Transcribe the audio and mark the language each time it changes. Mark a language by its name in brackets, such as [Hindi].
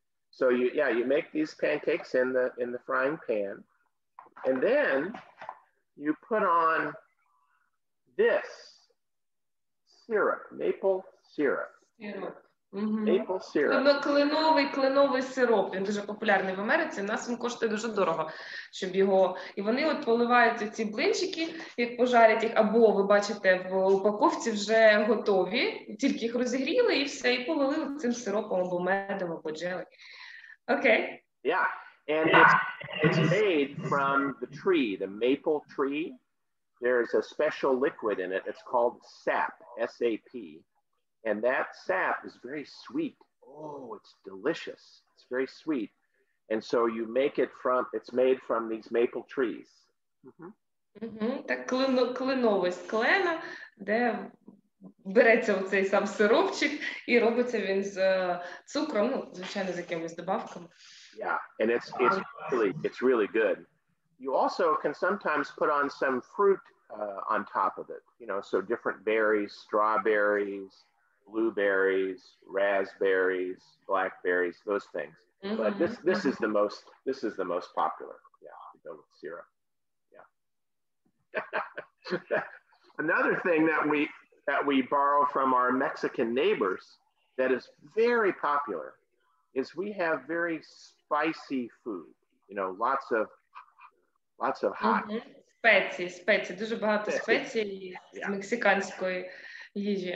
[English] So you make these pancakes in the frying pan, and then you put on this syrup, maple syrup. Mm-hmm. Maple syrup. [Ukrainian] Клиновий сироп. Він дуже популярний в Америці. У нас він коштує дуже дорого, щоб його. І вони от поливають ці блинчики, як пожарять їх, або ви бачите, в упаковці вже готові, тільки їх розігріли і все, і полили цим сиропом або медом, або джелі. Окей. [English] Okay. Yeah. And it's made from the tree, the maple tree. There's a special liquid in it. It's called sap, SAP. And that sap is very sweet. Oh, it's delicious. It's very sweet. And so you make it from, it's made from these maple trees. Mm-hmm. Mm-hmm. [Ukrainian] Так, клинове склено, де береться оцей сам сиропчик, і робиться він з цукром, ну, звичайно, з якимись добавками. [English] Yeah, and it's really good. You also can sometimes put on some fruit on top of it, you know, so different berries, strawberries, blueberries, raspberries, blackberries, those things. Mm-hmm. But this is the most popular. Yeah, the donut syrup. Yeah. Another thing that we borrow from our Mexican neighbors that is very popular is we have very spicy food. You know, lots of hot. Mm-hmm. [Ukrainian] Спеції, дуже багато спеції з мексиканської їжі.